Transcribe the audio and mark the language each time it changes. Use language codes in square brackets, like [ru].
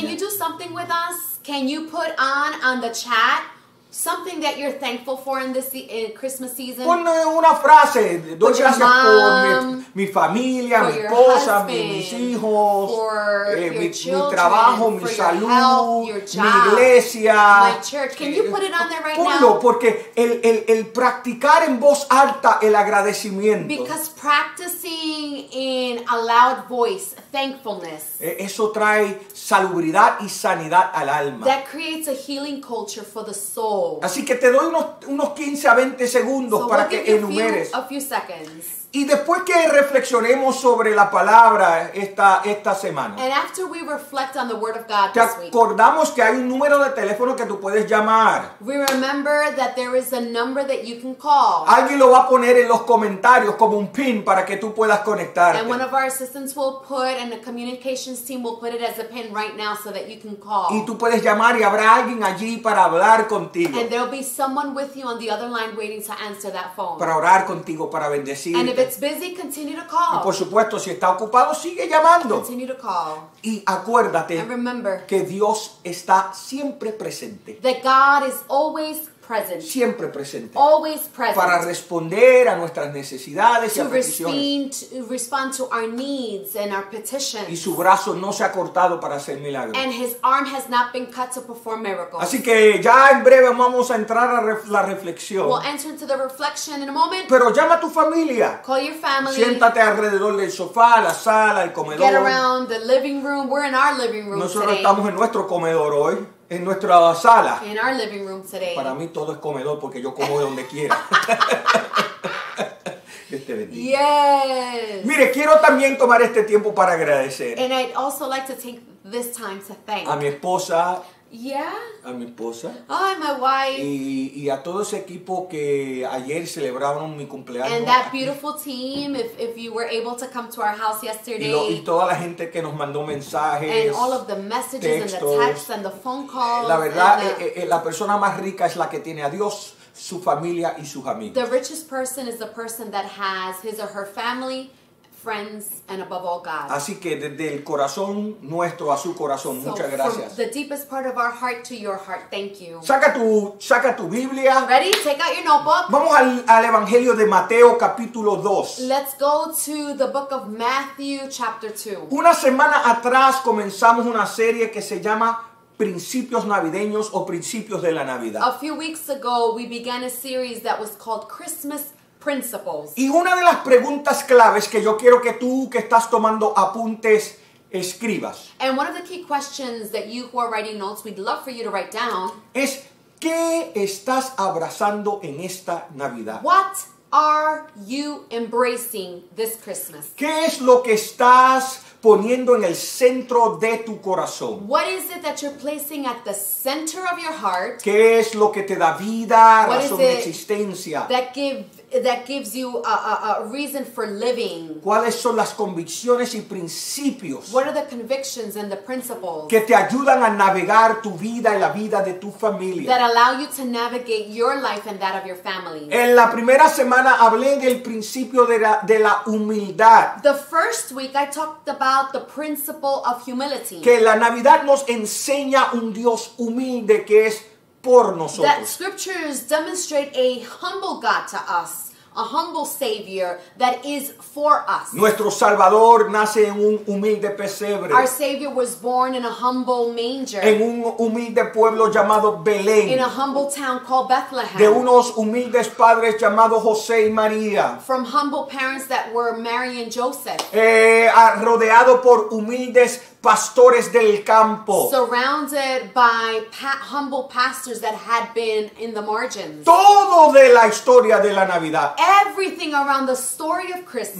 [en] Can you do something with us? Can you put on the chat something that you're thankful for in this Christmas season? [es] Pon una frase. Doy gracias [en] mom, [es] por mi familia, mi esposa, mis hijos, [en] children, [es] mi trabajo, mi salud, [en] health, [es] mi iglesia. [en] My church. Can you put it on there right [es] ponlo, [en] now? [es] Ponlo, porque el practicar en voz alta el agradecimiento. [en] Because practicing in a loud voice, thankfulness. [es] Eso trae salubridad y sanidad al alma. [en] That creates a healing culture for the soul. [es] Así que te doy unos 15 a 20 segundos [en] so [es] para que enumeres. [en] A few seconds. [es] Y después que reflexionemos sobre la palabra esta semana. [en] And after we reflect on the word of God this week. [es] Te acordamos que hay un número de teléfono que tú puedes llamar. [en] We remember that there is a number that you can call. [es] Alguien lo va a poner en los comentarios como un pin para que tú puedas conectarte. [en] And one of our assistants will put, and the communications team will put it as a pin right now so that you can call. [es] Y tú puedes llamar y habrá alguien allí para hablar contigo. [en] And there'll be someone with you on the other line waiting to answer that phone. [es] Para orar contigo, para bendecir. [en] And if it's busy, continue to call. [es] Y por supuesto, si está ocupado, sigue llamando. [en] Continue to call. [es] Y acuérdate [en] and remember [es] que Dios está siempre presente. [en] That God is always present. [es] Siempre presente. [en] Always present. [es] Para responder a nuestras necesidades [en] to [es] y a peticiones. [en] To respond to our needs and our petitions. [es] Y su brazo no se ha cortado para hacer milagros. [en] And his arm has not been cut to perform miracles. [es] Así que ya en breve vamos a entrar a la reflexión. [en] We'll enter into the reflection in a moment. [es] Pero llama a tu familia. [en] Call your family. [es] Siéntate alrededor del sofá, la sala, el comedor. [en] Get around the living room. We're in our living room [es] Nosotros [en] today. [es] Nosotros estamos en nuestro comedor hoy. En nuestra sala. [en] In our living room today. [es] Para mí todo es comedor porque yo como de donde quiera. Este bendito. [en] Yes. [es] Mire, quiero también tomar este tiempo para agradecer. [en] And I'd also like to take this time to thank. [es] A mi esposa. [en] Yeah. [es] A mi esposa. [en] Oh, and my wife. [es] Y a todo ese equipo que ayer celebraron mi cumpleaños. [en] And that beautiful team, if you were able to come to our house yesterday. [es] Y toda la gente que nos mandó mensajes. [en] And all of the messages [es] textos, [en] and the texts and the phone calls. [es] La verdad, la persona más rica es la que tiene a Dios, su familia y sus amigos. [en] The richest person is the person that has his or her family, friends, and above all, God. [es] Así que desde el corazón nuestro a su corazón, [en] so [es] muchas gracias. [en] From the deepest part of our heart to your heart, thank you. [es] Saca tu Biblia. [en] Ready? Take out your notebook. [es] Vamos al Evangelio de Mateo, capítulo 2. [en] Let's go to the book of Matthew, chapter 2. [es] Una semana atrás comenzamos una serie que se llama Principios Navideños o Principios de la Navidad. [en] A few weeks ago, we began a series that was called Christmas Principles. [es] Y una de las preguntas claves que yo quiero que tú que estás tomando apuntes escribas. [en] And one of the key questions that you who are writing notes we'd love for you to write down. [es] Es ¿qué estás abrazando en esta Navidad? [en] What are you embracing this Christmas? [es] ¿Qué es lo que estás poniendo en el centro de tu corazón? [en] What is it that you're placing at the center of your heart? [es] ¿Qué es lo que te da vida, [en] what [es] razón de existencia? [en] That gives you a reason for living. [es] ¿Cuáles son las convicciones y principios? [en] What are the convictions and the principles? [es] Que te ayudan a navegar tu vida y la vida de tu familia. [en] That allow you to navigate your life and that of your family. [es] En la primera semana hablé del principio de la humildad. [en] The first week I talked about the principle of humility. [es] Que la Navidad nos enseña un Dios humilde que es por nosotros. [en] That scriptures demonstrate a humble God to us, a humble Savior that is for us. [es] Nuestro Salvador nace en un humilde pesebre. [en] Our Savior was born in a humble manger. [es] En un humilde pueblo llamado Belén. [en] In a humble town called Bethlehem. [es] De unos humildes padres llamados José y María. [en] From humble parents that were Mary and Joseph. [es] Rodeado por humildes pastores del campo. [en] Surrounded by humble pastors that had been in the margins. [es] Todo de la historia de la Navidad. [en] Everything around the story of Christmas.